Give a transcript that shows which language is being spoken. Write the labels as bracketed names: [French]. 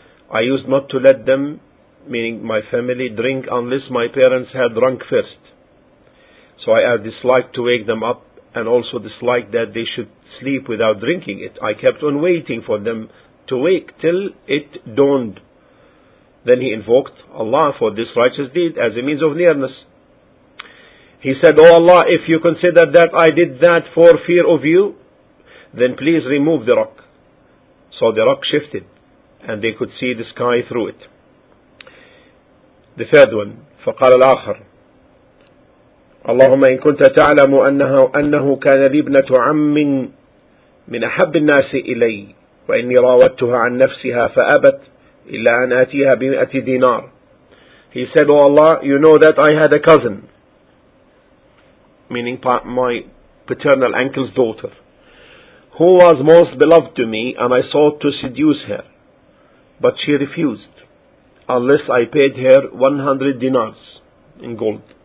[English] I used not to let them, meaning my family, drink unless my parents had drunk first. So I disliked to wake them up, and also disliked that they should sleep without drinking it. I kept on waiting for them to wake till it dawned. Then he invoked Allah for this righteous deed as a means of nearness. He said, oh Allah, if you consider that I did that for fear of you, then please remove the rock. So the rock shifted and they could see the sky through it. The third one, [Arabic] فقال الآخر اللهم إن كنت تعلم أنه كان لي ابنة عم من أحب الناس إلي وإني راودتها عن نفسها فأبت إلا أن آتيها بمئة دينار. [English] He said, oh Allah, you know that I had a cousin, meaning my paternal uncle's daughter, who was most beloved to me, and I sought to seduce her, but she refused unless I paid her 100 dinars in gold.